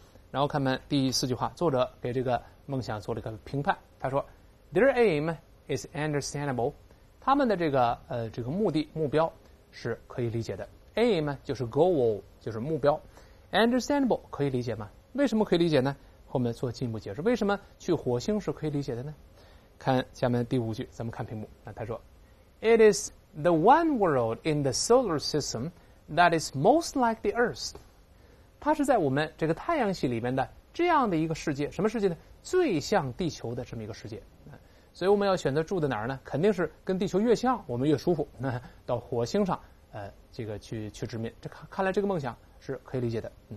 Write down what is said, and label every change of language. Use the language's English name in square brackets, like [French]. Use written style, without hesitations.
[Chinese] 然后看看第四句话，作者给这个梦想做了一个评判，他说 [English] Their aim is understandable， [Chinese] 他们的这个目的目标是可以理解的。 aim 就是 goal， 就是目标。understandable 可以理解吗？为什么可以理解呢？后面做进一步解释，为什么去火星是可以理解的呢？看下面第五句，咱们看屏幕。那他说 [English] It is the one world in the solar systemThat is most like the Earth. [Chinese] 它是在我们这个太阳系里面的这样的一个世界，什么世界呢？最像地球的这么一个世界。所以我们要选择住在哪儿呢？肯定是跟地球越像，我们越舒服。到火星上，这个去殖民。这看来这个梦想是可以理解的。